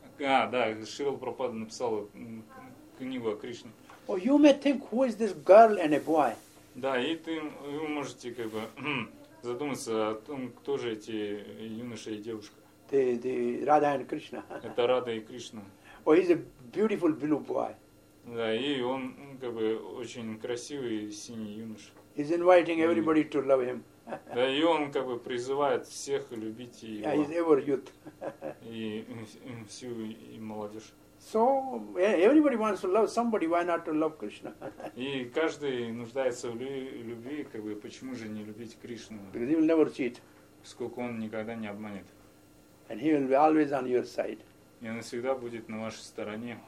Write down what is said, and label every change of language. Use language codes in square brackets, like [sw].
[ru] А, да, Шрила Прабхупада написал книгу о Кришне. [en] Oh, you may think who is this girl and a boy? [ru] Да, и вы можете как бы задуматься о том, кто же эти юноша и девушка. [en] The Radha and Krishna. [ru] Это Рада и Кришна. [en] Oh, he's a beautiful blue boy. [ru] Да, и он как бы очень красивый синий юноша. [en] He's inviting everybody to love him. [ru] Да, и он как бы призывает всех любить его. [en] Yeah, he's ever youth. [ru] и всю молодежь. [en] So everybody wants to love somebody. Why not to love Krishna? [ru] И каждый нуждается в любви, как бы почему же не любить Кришну? [en] Because he will never cheat. [ru] Сколько он никогда не обманет. [en] And he will be always on your side. [ru] И он всегда будет на вашей стороне.